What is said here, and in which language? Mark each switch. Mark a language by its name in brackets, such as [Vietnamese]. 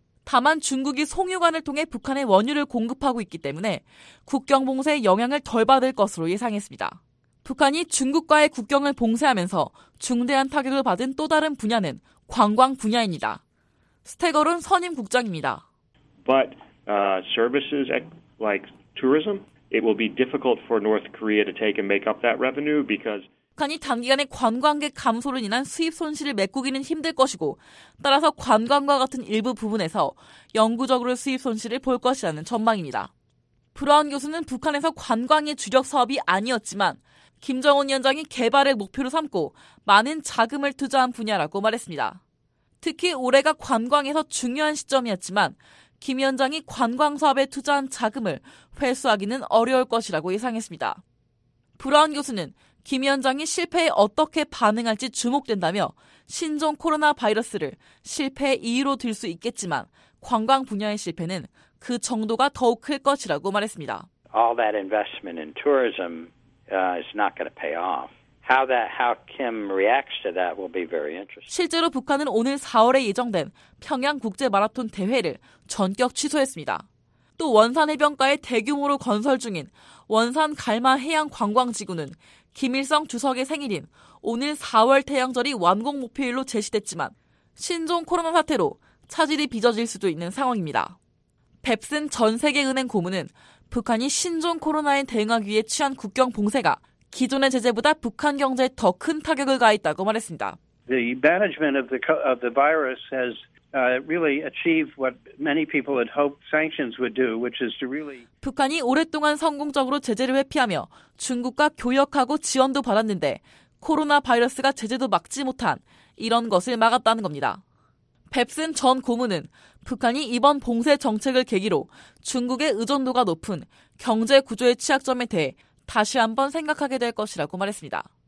[Korean] 다만 중국이 송유관을 통해 북한에 원유를 공급하고 있기 때문에 국경 봉쇄의 영향을 덜 받을 것으로 예상했습니다. 북한이 중국과의 국경을 봉쇄하면서 중대한 타격을 받은 또 다른 분야는 관광 분야입니다. 스테거른 선임 국장입니다. [English] But services like tourism, it will be difficult for North Korea to take and make up that revenue because [Korean] 북한이 단기간에 관광객 감소로 인한 수입 손실을 메꾸기는 힘들 것이고 따라서 관광과 같은 일부 부분에서 영구적으로 수입 손실을 볼 것이라는 전망입니다. 브라운 교수는 북한에서 관광의 주력 사업이 아니었지만 김정은 위원장이 개발을 목표로 삼고 많은 자금을 투자한 분야라고 말했습니다. 특히 올해가 관광에서 중요한 시점이었지만 김 위원장이 관광 사업에 투자한 자금을 회수하기는 어려울 것이라고 예상했습니다. 브라운 교수는 김 위원장이 실패에 어떻게 반응할지 주목된다며 신종 코로나 바이러스를 실패의 이유로 들 수 있겠지만 관광 분야의 실패는 그 정도가 더욱 클 것이라고 말했습니다. [English] All that investment in tourism is not going to pay off. How Kim reacts to that will be very interesting. [Korean] 실제로 북한은 오늘 4월에 예정된 평양 국제 마라톤 대회를 전격 취소했습니다. 또 원산 해변가에 대규모로 건설 중인 원산 갈마 해양 관광 지구는 김일성 주석의 생일인 오늘 4월 태양절이 완공 목표일로 제시됐지만 신종 코로나 사태로 차질이 빚어질 수도 있는 상황입니다. 벱슨 전세계은행 고문은 북한이 신종 코로나에 대응하기 위해 취한 국경 봉쇄가 기존의 제재보다 북한 경제에 더 큰 타격을 가했다고 말했습니다. [English] The management of the virus has really achieved what many people had hoped sanctions would do, which is to really [Korean] 북한이 오랫동안 성공적으로 제재를 회피하며 중국과 교역하고 지원도 받았는데 코로나 바이러스가 제재도 막지 못한 이런 것을 막았다는 겁니다. 벱슨 전 고문은 북한이 이번 봉쇄 정책을 계기로 중국의 의존도가 높은 경제 구조의 취약점에 대해 다시 한번 생각하게 될 것이라고 말했습니다.